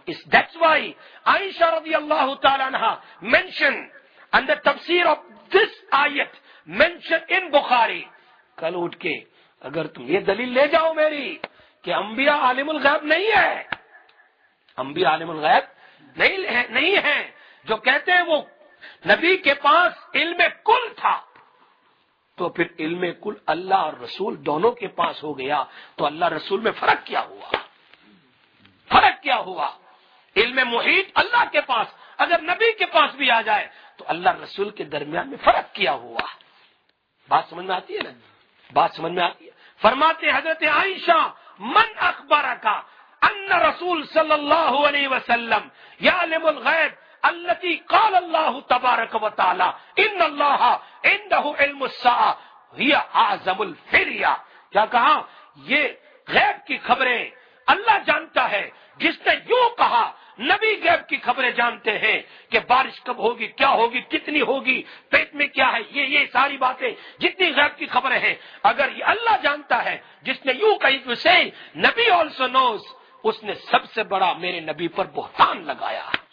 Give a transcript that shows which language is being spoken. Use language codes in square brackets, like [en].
[en] That's why Aisha radiallahu ta'ala anha mentioned, and the tafsir of this ayat mentioned in Bukhari. [ur] کل اٹھ کے اگر تم یہ دلیل لے جاؤ میری کہ انبیاء عالم الغیب نہیں ہے, انبیاء عالم الغیب نہیں ہے, جو کہتے ہیں وہ نبی کے پاس علم کل تھا, تو پھر علم کل اللہ اور رسول دونوں کے پاس ہو گیا تو اللہ رسول میں فرق کیا ہوا, فرق کیا ہوا؟ علم محیط اللہ کے پاس اگر نبی کے پاس بھی آ جائے تو اللہ رسول کے درمیان میں فرق کیا ہوا؟ بات سمجھ میں آتی ہے نا, بات سمجھ میں آتی ہے. فرماتے حضرت عائشہ, [ar] من اخبرک ان رسول صلی اللہ علیہ وسلم یعلم الغیب التي قال الله تبارك وتعالى ان الله عنده علم الساعه هي اعظم الفريا. [ur] کیا کہا؟ یہ غیب کی خبریں اللہ جانتا ہے, جس نے یوں کہا نبی غیب کی خبریں جانتے ہیں کہ بارش کب ہوگی, کیا ہوگی, کتنی ہوگی, پیٹ میں کیا ہے, یہ ساری باتیں جتنی غیب کی خبریں ہیں اگر یہ اللہ جانتا ہے جس نے یوں کہی تو اسے نبی [en] also knows, [ur] اس نے سب سے بڑا میرے نبی پر بہتان لگایا.